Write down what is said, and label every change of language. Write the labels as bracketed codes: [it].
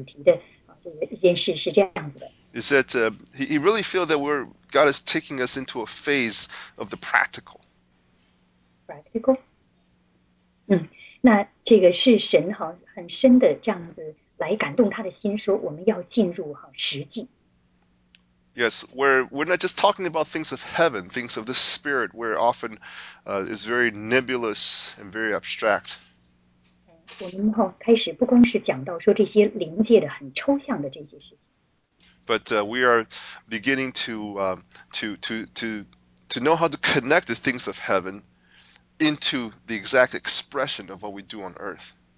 [zh] 那一件事让这个李小牧师这个搅动他的心，然后呢提到这个主题的这一件事是这样子的。 [en] Is that he really feel that we're God is taking us into a phase of the practical? Practical. [zh] 那这个是神很深的这样子来感动他的心，说我们要进入实际。 [en] Yes, we're not just talking about things of heaven, things of the spirit, where often is very nebulous and very abstract. But we are beginning to know how to connect the things of heaven into the exact expression of what we do on earth.